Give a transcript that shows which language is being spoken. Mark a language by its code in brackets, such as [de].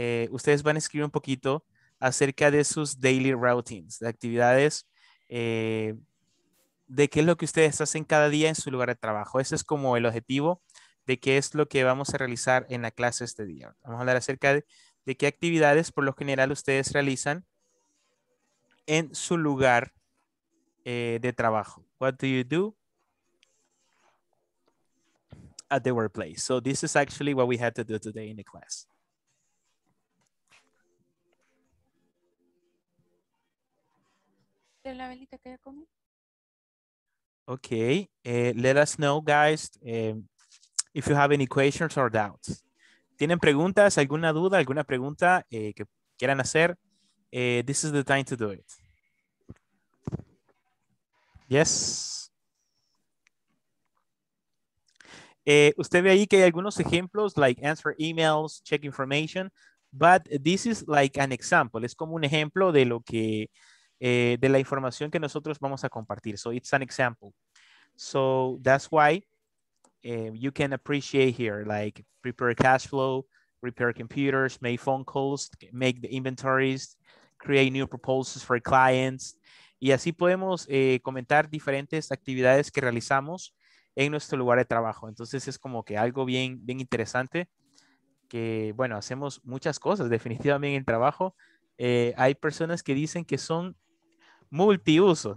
[es] Ustedes van a escribir un poquito acerca de sus [en] daily routines, [es] de actividades, de qué es lo que ustedes hacen cada día en su lugar de trabajo. Ese es como el objetivo de qué es lo que vamos a realizar en la clase este día. Vamos a hablar acerca de qué actividades por lo general ustedes realizan en su lugar de trabajo. [en] What do you do at the workplace? So this is actually what we had to do today in the class. Okay, let us know, guys, if you have any questions or doubts. [es] ¿Tienen preguntas, alguna duda, alguna pregunta que quieran hacer? [en] This is the time to do it. Yes. [es] Usted ve ahí que hay algunos ejemplos, [en] like answer emails, check information, but this is like an example. [es] Es como un ejemplo de lo que, de la información que nosotros vamos a compartir. [en] So it's an example. So that's why you can appreciate here, like prepare cash flow, repair computers, make phone calls, make the inventories, create new proposals for clients. [es] Y así podemos comentar diferentes actividades que realizamos en nuestro lugar de trabajo. Entonces es como que algo bien, bien interesante que, bueno, hacemos muchas cosas definitivamente en el trabajo. Hay personas que dicen que son multiusos.